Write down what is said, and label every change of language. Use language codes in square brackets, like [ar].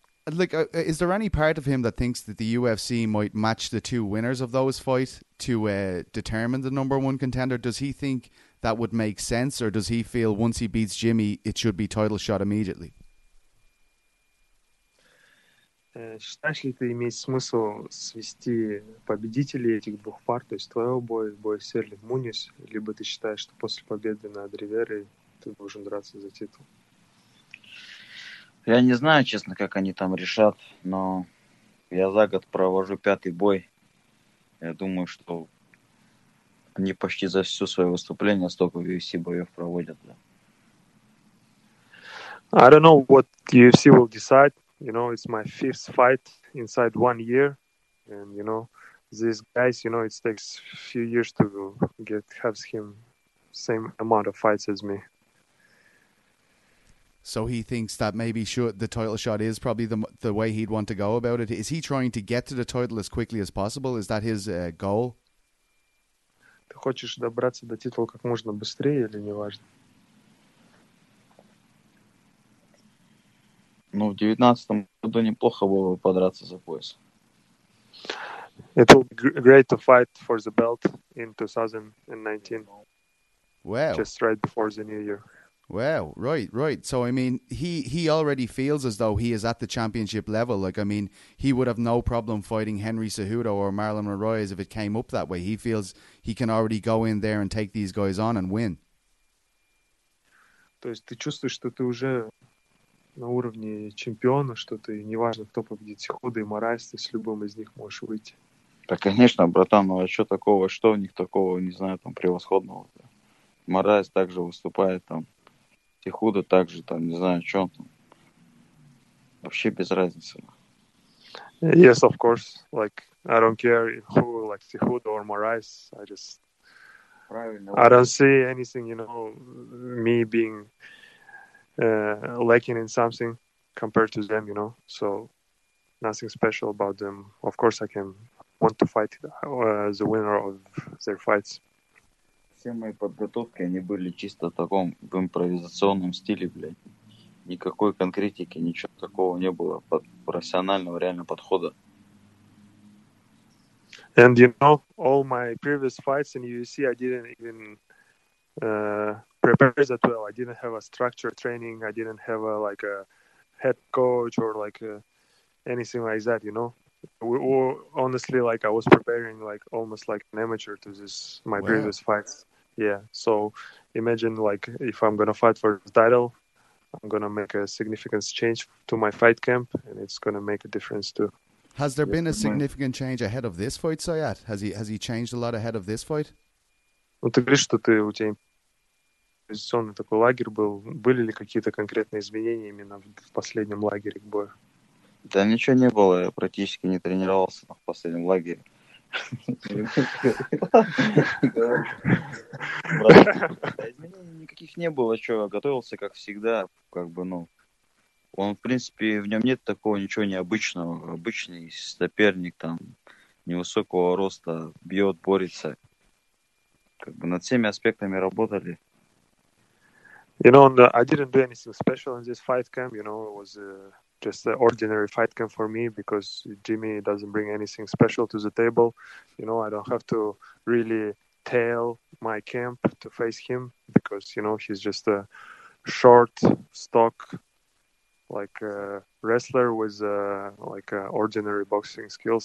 [en] Like, is there any part of him that thinks that the UFC might match the two winners of those fights to determine the number one contender? Does he think that would make sense, or does he feel once he beats Jimmy, it should be title shot immediately? [ru] Считаешь ли ты иметь смысл свести победителей этих двух пар, то есть твоего боя, боя с Эрли Мунис, либо ты считаешь, что после победы над Риверой ты должен драться за титул? Я не знаю, честно, как они там решат, но я за год провожу пятый бой. Я думаю, что они почти за все свое выступление столько UFC боев проводят. Да. [en] I don't know what UFC will decide. You know, it's my fifth fight inside 1 year. And, you know, these guys, you know, it takes a few years to get have him same amount of fights as me. So he thinks that maybe sure the title shot is probably the way he'd want to go about it. Is he trying to get to the title as quickly as possible? Is that his goal? [ru] Ты хочешь добраться до титула как можно быстрее или неважно? Ну, в 19-м году неплохо было бы подраться за пояс. [en] It will be great to fight for the belt in 2019. Wow. Just right before the new year. Wow, right, right. So, I mean, he already feels as though he is at the championship level. Like, I mean, he would have no problem fighting Henry Cejudo or Marlon Moraes if it came up that way. He feels he can already go in there and take these guys on and win. [ru] То есть ты чувствуешь, что ты уже на уровне чемпиона, что ты, неважно, кто победит, Сехудо и Мораес, ты с любым из них можешь выйти. Да, конечно, братан, ну а что такого, что у них такого, не знаю, там, превосходного? Мораес также выступает там. Сехудо также там, не знаю, что он там. Вообще без разницы. [en] Yes, of course. Like, I don't care who, like, Сехудо or Мораес. I just... [ru] Правильно. [en] I don't see anything, you know, me being... lacking in something compared to them, you know. So nothing special about them. Of course, I can want to fight the winner of their fights. [ru] Все мои подготовки они были чисто таком в импровизационном стиле, блядь. Никакой конкретики, ничего такого не было под профессионального реального подхода. [en] And you know, all my previous fights in UFC, I didn't even prepares that well. I didn't have a structured training. I didn't have a head coach or anything like that, you know. Honestly, like, I was preparing like almost like an amateur to this, my wow. previous fights. Yeah. So imagine like if I'm going to fight for the title, I'm going to make a significant change to my fight camp and it's going to make a difference too. Has there been a significant change ahead of this fight, Sayat? Has he changed a lot ahead of this fight? [ru] Ты говоришь, что ты у тебя позиционный такой лагерь был. Были ли какие-то конкретные изменения именно в последнем лагере к бою? Да ничего не было. Я практически не тренировался в последнем лагере. Изменений никаких не было. Чего? Готовился, как всегда. Как бы, ну... Он, в принципе, в нем нет такого ничего необычного. Обычный соперник, там, невысокого роста, бьет, борется. Как бы над всеми аспектами работали. [en] You know, I didn't do anything special in this fight camp. You know, it was just an ordinary fight camp for me because Jimmy doesn't bring anything special to the table. You know, I don't have to really tail my camp to face him because, you know, he's just a short, stock, wrestler with ordinary boxing skills.